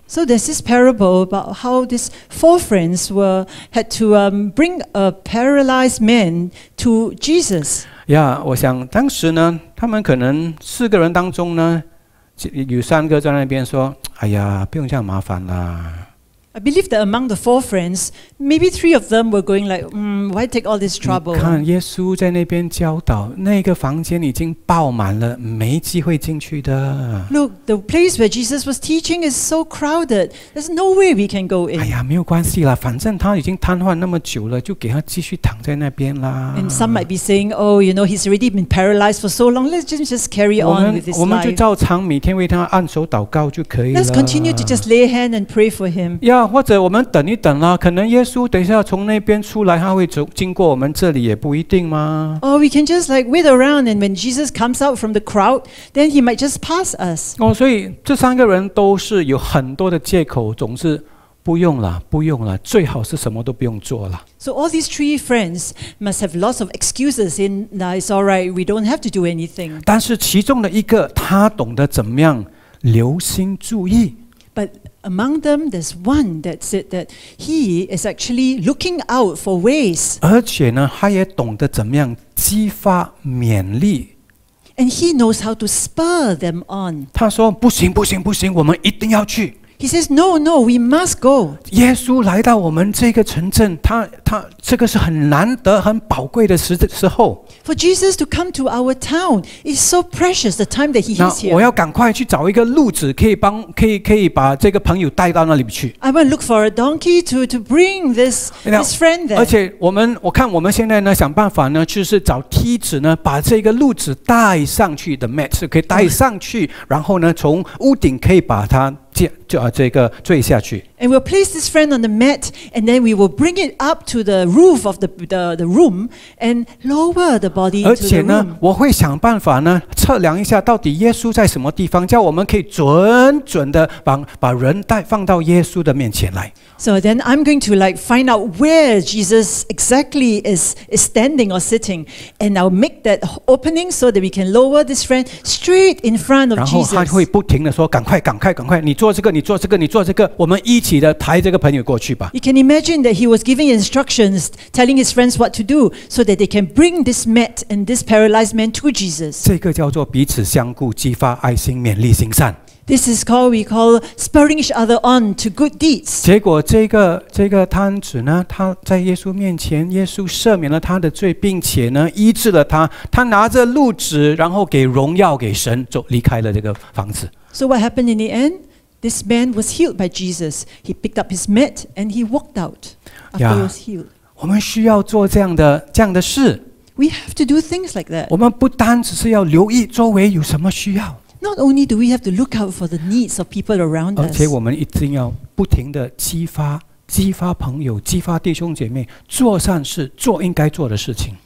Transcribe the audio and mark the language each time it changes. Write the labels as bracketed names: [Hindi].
[English] So there's this parable about how these four friends had to bring a paralyzed man to Jesus. [Chinese] Yeah, 我想当时呢，他们可能四个人当中呢，有三个在那边说：“哎呀，不用这样麻烦啦。” [English] I believe that among the four friends, maybe three of them were going like, why take all this trouble? [Chinese] 看耶稣在那边教导，那个房间已经爆满了，没机会进去的。 [English] Look, the place where Jesus was teaching is so crowded. There's no way we can go in. [Chinese] 哎呀，没有关系啦，反正他已经瘫痪那么久了，就给他继续躺在那边啦。 [English] And some might be saying, oh, you know, he's already been paralyzed for so long. Let's just carry on with his life. [Chinese] 我们就照常每天为他按手祷告就可以了。 [English] Let's continue to just lay hand and pray for him. Yeah. [Chinese] 或者我们等一等啦，可能耶稣等一下从那边出来，他会走经过我们这里也不一定吗 [English] ？Or we can just like wait around, and when Jesus comes out from the crowd, then he might just pass us. [Chinese] 哦，所以这三个人都是有很多的借口，总是不用了，不用了，最好是什么都不用做了。 [English] So all these three friends must have lots of excuses. In now it's all right, we don't have to do anything. [Chinese] 但是其中的一个，他懂得怎么样留心注意。 [English] But among them, there's one that said that he is actually looking out for ways. [Chinese] 而且呢，他也懂得怎么样激发勉励。 [English] And he knows how to spur them on. [Chinese] 他说：“不行，不行，不行，我们一定要去。” [English] He says, "No, no, we must go." [Chinese] 耶稣来到我们这个城镇，他这个是很难得、很宝贵的时候。 [English] For Jesus to come to our town is so precious. The time that he is here. [Chinese] 我要赶快去找一个路子，可以把这个朋友带到那里去。 [English] I want to look for a donkey to bring this friend there. [Chinese] 而且我看我们现在呢，想办法呢，就是找梯子呢，把这个路子带上去的 [English] mat [Chinese] 可以带上去，然后呢，从屋顶可以把它。这个坠下去。 [English] And we'll place this friend on the mat, and then we will bring it up to the roof of the room and lower the body to the room. [Chinese] 而且呢，我会想办法呢，测量一下到底耶稣在什么地方，叫我们可以准准的把人带放到耶稣的面前来。 [English] So then I'm going to like find out where Jesus exactly is standing or sitting, and I'll make that opening so that we can lower this friend straight in front of Jesus. [Chinese] 然后他会不停的说：“赶快，赶快，赶快！你做这个，你做这个，你做这个，我们一起的抬这个朋友过去吧。” [English] You can imagine that he was giving instructions, telling his friends what to do, so that they can bring this mat and this paralyzed man to Jesus. [Chinese] 这个叫做彼此相顾，激发爱心，勉励行善。 [English] This is called we call spurring each other on to good deeds. [Chinese] 结果这个瘫子呢，他在耶稣面前，耶稣赦免了他的罪，并且呢医治了他。他拿着褥子，然后给荣耀给神，就离开了这个房子。 [English] So what happened in the end? This man was healed by Jesus. He picked up his mat and he walked out after he was healed. [Chinese] 我们需要做这样的事。 [English] We have to do things like that. [Chinese] 我们不单只是要留意周围有什么需要。 [English] Not only do we have to look out for the needs of people around us, [Chinese] 而且我们一定要不停地激发朋友，激发弟兄姐妹做善事，做应该做的事情。